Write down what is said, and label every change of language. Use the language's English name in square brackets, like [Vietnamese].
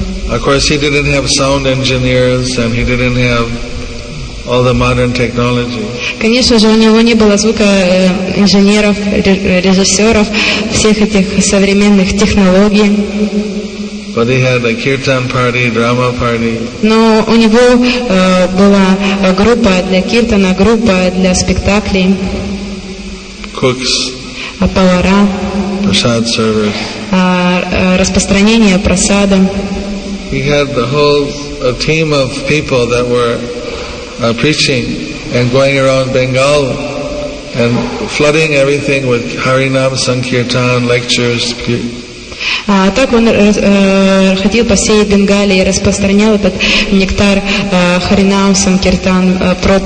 [English] Of course, he didn't have sound engineers and he didn't have all the modern technology. [Russian] Конечно же, у него не было звука инженеров, режиссеров, всех этих современных технологий. [English] But he had a kirtan party, drama party. [Russian] Но у него была группа для киртана, группа для спектаклей. [English] Cooks. [Russian] Повара. [English] Prasad servers. [Russian] Распространение прасада. [English] He had the whole a team of people that were preaching and going around Bengal and flooding everything with Harinam, Sankirtan, lectures. [Russian] Так он ходил по всей Бенгалии и распространял этот нектар Харинам, Санкиртан,